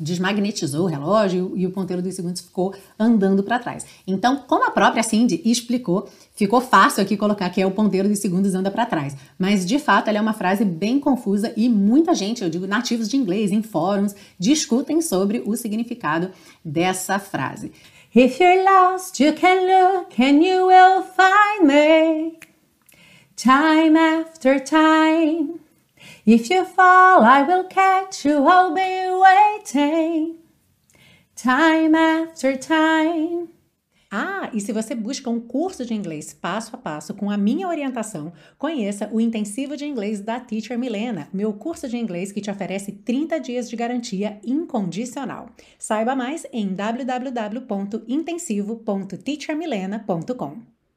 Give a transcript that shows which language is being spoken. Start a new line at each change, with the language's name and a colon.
Portuguese: Desmagnetizou o relógio e o ponteiro dos segundos ficou andando para trás. Então, como a própria Cyndi explicou, ficou fácil aqui colocar que é o ponteiro dos segundos anda para trás. Mas, de fato, ela é uma frase bem confusa e muita gente, eu digo nativos de inglês, em fóruns, discutem sobre o significado dessa frase.
English: If you're lost, you can look and you will find me. Time after time, if you fall, I will catch you, I'll be waiting. Time after time.
Portuguese: Ah, e se você busca um curso de inglês passo a passo com a minha orientação, conheça o Intensivo de Inglês da Teacher Milena, meu curso de inglês que te oferece 30 dias de garantia incondicional. Saiba mais em www.intensivo.teachermilena.com.